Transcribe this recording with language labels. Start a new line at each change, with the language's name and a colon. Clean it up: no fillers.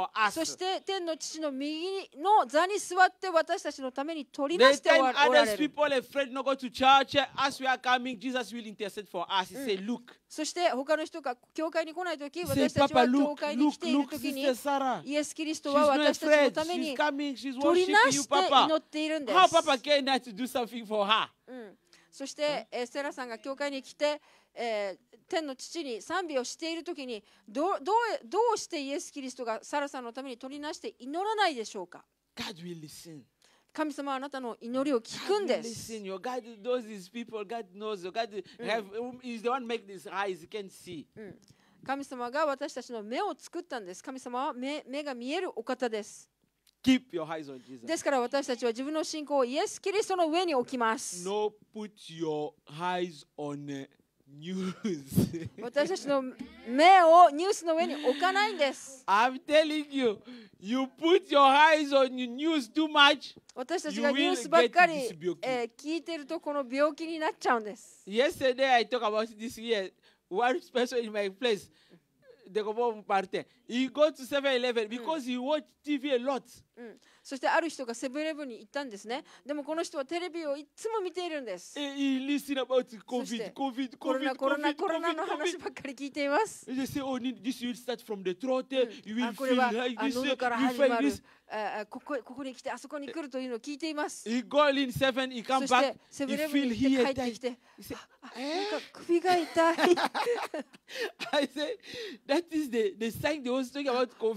Japanese: そして天の父の右の座に座って私たちのために取りなしておられる。
English: The time other people afraid not go to church as we are coming, Jesus will intercede for us. He say, look.
Japanese: そして他の人が教会に来ないとき、私たちは教会に来ているときに、イエス・キリストは私たちのために取りなして祈っているんです。
English: How Papa came not to do something for her?
Japanese: そして、セラさんが教会に来て、天の父に賛美をしているときに、どうしてイエス・キリストがサラさんのために取りなして祈らないでしょうか。
English: God will listen.
Japanese: 神様はあなたの祈りを聞くんです。
English: Listen, your God knows these people. God knows. God have, is the one make these eyes. You can see.
Japanese: 神様が私たちの目を作ったんです。神様は目が見えるお方です。
English: Keep your eyes on Jesus.
Japanese: ですから私たちは自分の信仰をイエス・キリストの上に置きます。
English: No, put your eyes on news.
Japanese: 私たちの目をニュースの上に置かないんです。
English: I'm telling you, you put your eyes on news too much.
Japanese: 私たちがニュースばっかり聞いてるとこの病気になっちゃうんです。
English: Yesterday I talked about this year. One person in my place, the government party, he go to 7-Eleven because he watched TV a lot.
Japanese: そしてある人がセブンイレブンに行ったんですね。でもこの人はテレビをいつも見ているんです。
English: He listen about COVID, COVID, COVID,
Japanese: COVID, COVID, COVID, COVID. コロナの話ばっかり聞いています。
English: They say, oh, this will start from the throat. You will feel like this. You find this.
Japanese: ここに来てあそこに来るというのを聞いています。
English: he go in seven, he come
Japanese: そしてセブンイレブンに行って帰ってきて首が痛い。
English: I say, that is the sign they was talking about COVID.